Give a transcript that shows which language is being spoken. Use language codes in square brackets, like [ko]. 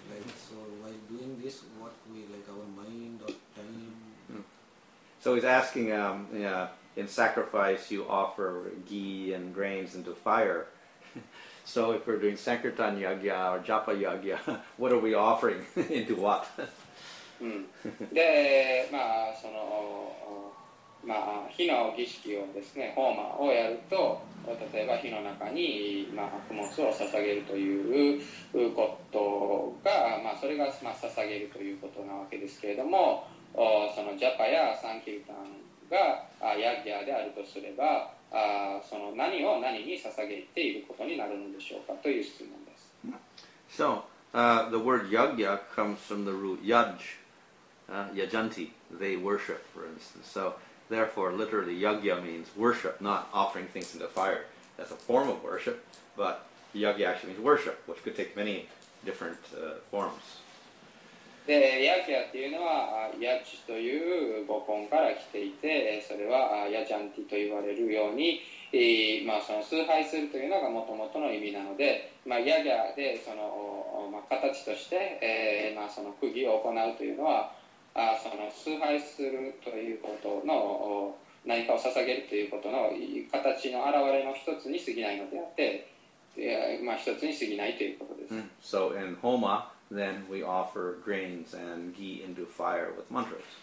[en] Like, so while doing this, what we, like our mind or time? So he's asking, in sacrifice you offer ghee and grains into fire. So if we're doing Sankirtan Yagya or Japa Yagya, what are we offering into what? [ja] で、まあ、その、まあ、火の儀式をですね、ホーマーをやると、例えば火の中に、まあ、供物を捧げるということが、まあ、それが、まあ、捧げるということなわけですけれども、そのジャパやサンキルタンがヤギャであるとすれば、その何を何に捧げていることになるのでしょうかという質問です。 [en] So, the word yagya comes from the root yaj, yajanti, they worship, for instance. So,Therefore, literally, yagya means worship, not offering things into fire. That's a form of worship, but yagya actually means worship, which could take many different forms. [ja] で、yagya というのは、yaj という語根から来ていて、それは、yajanti と言われるように、まあ、その崇拝するというのがもともとの意味なので、まあ、yagya でその、まあ、形として、まあ、その釘を行うというのは、その崇拝するということの何かを捧げるということの形の表れの一つに過ぎないのであって、まあ、一つに過ぎないということです。 [en] So in Homa, then we offer grains and ghee into fire with mantras.